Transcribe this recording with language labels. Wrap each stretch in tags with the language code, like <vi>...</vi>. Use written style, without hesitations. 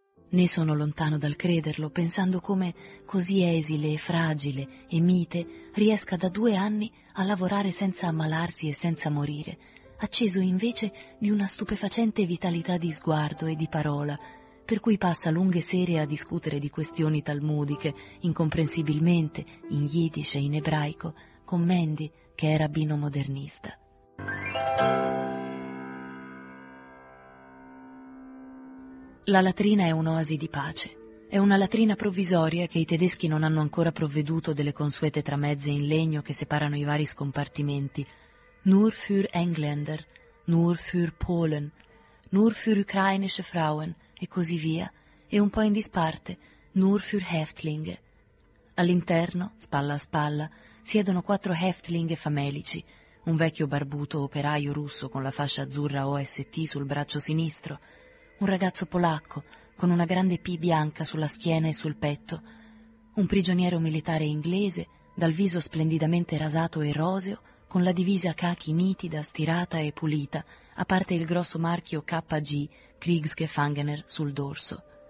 <it>Né sono lontano dal crederlo, pensando come, così esile, fragile e mite, riesca da 2 anni a lavorare senza ammalarsi e senza morire, acceso invece di una stupefacente vitalità di sguardo e di parola, per cui passa lunghe sere a discutere di questioni talmudiche, incomprensibilmente, in yiddish e in ebraico, con Mendy, che è rabbino modernista. La latrina è un'oasi di pace. È una latrina provvisoria che i tedeschi non hanno ancora provveduto delle consuete tramezze in legno che separano i vari scompartimenti.</it> <de>Nur für Engländer, nur für Polen, nur für ukrainische Frauen,</de> <it>e così via, e un po' in disparte,</it> <de>nur für Häftlinge.</de> <it>All'interno, spalla a spalla, siedono 4 Häftlinge famelici, un vecchio barbuto operaio russo con la fascia azzurra OST sul braccio sinistro, un ragazzo polacco con una grande P bianca sulla schiena e sul petto, un prigioniero militare inglese dal viso splendidamente rasato e roseo, con la divisa khaki nitida, stirata e pulita, a parte il grosso marchio KG Kriegsgefangener sul dorso.</it>